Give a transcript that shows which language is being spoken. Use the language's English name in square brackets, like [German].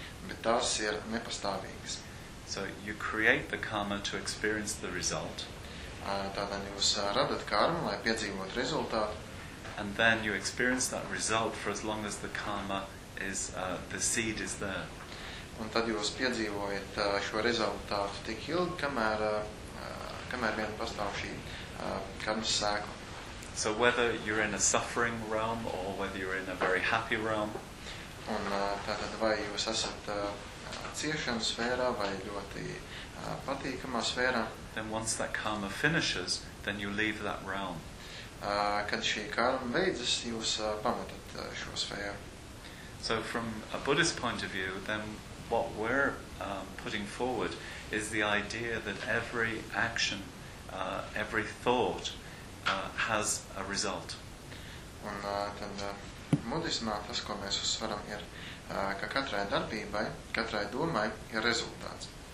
[Latvian] Bet tās ir nepastāvīgas. [English] So you create the karma to experience the result. [Latvian] Tātad jūs radat karmu, lai piedzīvotu rezultātu. [English] And then you experience that result for as long as the karma is the seed is there. [Latvian] Un tad jūs piedzīvojat šo rezultātu tik ilgi, kamēr vien pastāv šī karmas sēkla. [English] So whether you're in a suffering realm or whether you're in a very happy realm, [Latvian] un tātad vai jūs esat ciešanas sfērā vai ļoti patīkamā sfērā, [English] then once that karma finishes, then you leave that realm. [Latvian] Kad šī karma beidzas, jūs pamatat šo sfēru. [English] So from a Buddhist point of view, then what we're putting forward is the idea that every action, every thought has a result. [Latvian] Un tad budismā tas, ko mēs uzsvaram, ir, ka katrai darbībai, katrai domai ir rezultāts.